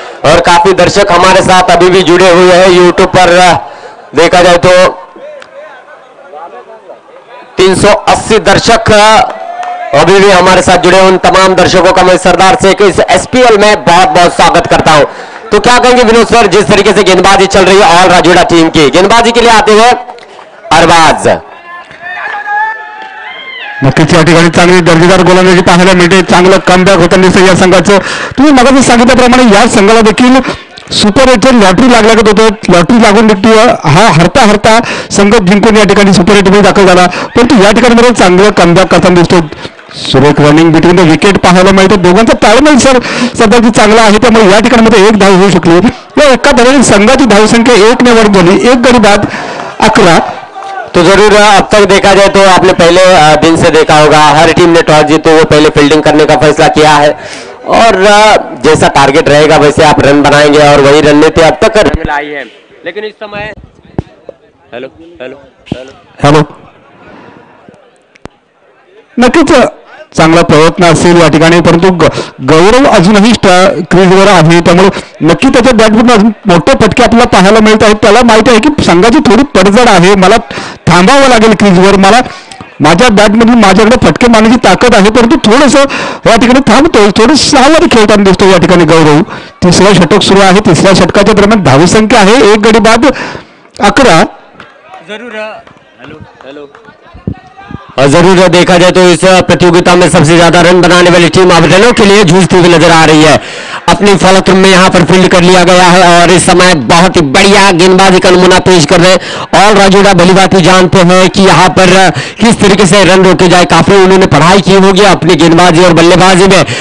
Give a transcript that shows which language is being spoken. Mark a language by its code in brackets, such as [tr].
[hi] और काफी दर्शक हमारे साथ अभी भी जुड़े हुए हैं। यूट्यूब पर देखा जाए तो 380 दर्शक अभी भी हमारे साथ जुड़े। उन तमाम दर्शकों का मैं सरदार से इस एसपीएल में बहुत बहुत स्वागत करता हूं। तो क्या कहेंगे विनोद सर, जिस तरीके से गेंदबाजी चल रही है ऑल राजूड़ा टीम की, गेंदबाजी के लिए आते हुए अरबाज [mr] चांगली दर्जेदार गोलंदाजी पाहायला मिळते। चांगलं कमबॅक होता दिसतं या संघाच। तुम्ही मगर सांगितल्याप्रमाणे या संघाला देखील सुपर एट लॉटरी लागल्यागत होतो। लॉटरी लागून देखील हा हरता हरता संघ जिंकून या ठिकाणी सुपर एट मध्ये दाखल झाला, परंतु या ठिकाणी मात्र चांगलं कमबॅक करताना दिसतो। सुरेख रनिंग बिटवीन द विकेट पाहायला मिळतो। दोघांचा ताळमेळ सर सध्याची चांगला आहे, त्यामुळे या ठिकाणी एक धाव होऊ शकली। या एका धावेतील संघाची धावसंख्या 1 ने वर झाली, 1 गडी बाद 11। [hi] तो जरूर अब तक देखा जाए तो आपने पहले दिन से देखा होगा हर टीम ने टॉस जीते हुए पहले फील्डिंग करने का फैसला किया है, और जैसा टारगेट रहेगा वैसे आप रन बनाएंगे और वही रन लेते अब तक रन लाई है। लेकिन इस समय हेलो हेलो [mr] हेलो नक्कीच चांगला प्रयत्न असेल या ठिकाणी, परंतु गौरव अजूनही क्रीजवर आहे, त्यामुळे नक्की त्याच्या बॅटवरून अजून मोठे फटके आपल्याला पाहायला मिळत आहेत। त्याला माहिती आहे की संघाची थोडी पडझड आहे, मला थांबावं लागेल क्रीजवर, मला माझ्या बॅटमधून माझ्याकडे फटके मारण्याची ताकद आहे, परंतु थोडस या ठिकाणी थांबतोय। थोडं सावध खेळताना दिसतो या ठिकाणी गौरव। तिसरा षटक सुरू आहे, तिसऱ्या षटकाच्या दरम्यान धावसंख्या आहे 1 गडी बाद 11। जरूर हॅलो हॅलो [hi] जरूर देखा जाए तो इस प्रतियोगिता में सबसे ज्यादा रन बनाने वाली टीम आवेदनों के लिए जूझती हुई नजर आ रही है। अपनी फलक में यहां पर फील्ड कर लिया गया है और इस समय बहुत ही बढ़िया गेंदबाजी का नमूना पेश कर रहे हैं ऑल राजूड़ा। भली बात ही जानते हैं कि यहां पर किस तरीके से रन रोके जाए, काफी उन्होंने पढ़ाई की होगी अपनी गेंदबाजी और बल्लेबाजी में।